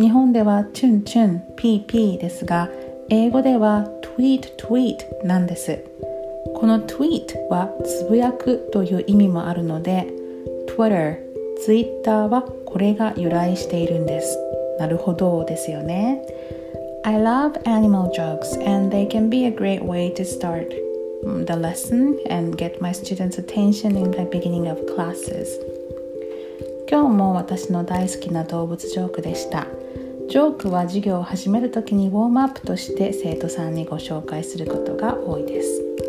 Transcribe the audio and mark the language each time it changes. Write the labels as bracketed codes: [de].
[ja] 日本ではチュンチュンピーピーですが、英語ではトゥイートトゥイートなんです。このトゥイートはつぶやくという意味もあるので、 Twitter、 ツイッターはこれが由来しているんです。なるほどですよね。 [en] I love animal jokes and they can be a great way to startthe lesson and get my students' attention in the beginning of classes. [ja] 今日も私の大好きな動物ジョークでした。ジョークは授業を始めるときにウォームアップとして生徒さんにご紹介することが多いです。